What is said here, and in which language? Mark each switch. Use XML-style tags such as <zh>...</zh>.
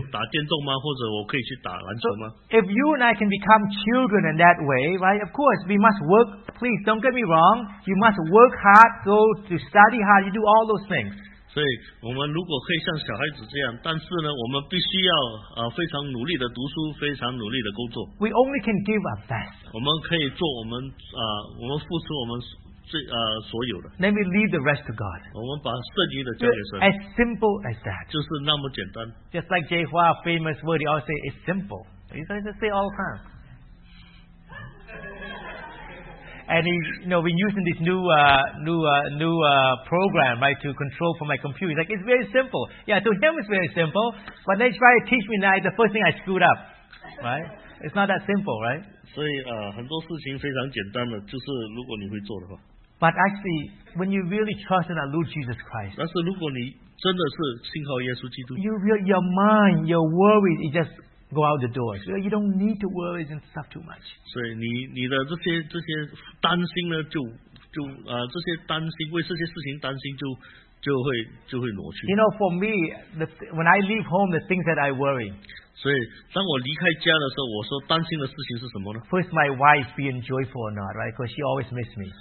<en>If you and I can become children in that way, right? Of course, we must work. Please, don't get me wrong. You must work hard, go to study hard. You do all those things.</en> <zh>所以我们如果可以像小孩子这样，但是呢，我们必须要非常努力的读书，非常努力的工作。</zh> <en>We only can give our best.</en> <zh>我们可以做我们付出我们所有的。</zh> <en>Let me leave the rest to God.</en> <zh>我们把剩余的交给神。</zh> <en>As simple as that.</en> <zh>就是那么简单。</zh> <en>Just like Jay Hua, famous word, he always say it's simple. He doesn't say all the time. And he, you know, we're using this new program, right, to control for my computer. He's like, it's very simple. Yeah, to him it's very simple. But they try to teach me now, the first thing I screwed up, right? It's not that simple, right?</en> <zh>所以很多事情非常简单的，就是如果你会做的话。</zh> <en>But actually, when you really trust in our Lord Jesus Christ,</en> <zh>但是如果你真的是信靠耶稣基督,</zh> <en>your mind, your worries, it just go out the door. So you don't need to worry and stuff too much.</en> <zh>所以你的这些担心呢，为这些事情担心就会挪去。</zh> <en>You know, for me, when I leave home, the things that I worry.</en> <zh>所以当我离开家的时候，我说担心的事情是什么呢？</zh> <en>First, my wife being joyful or not, right? Because she always misses me.</en>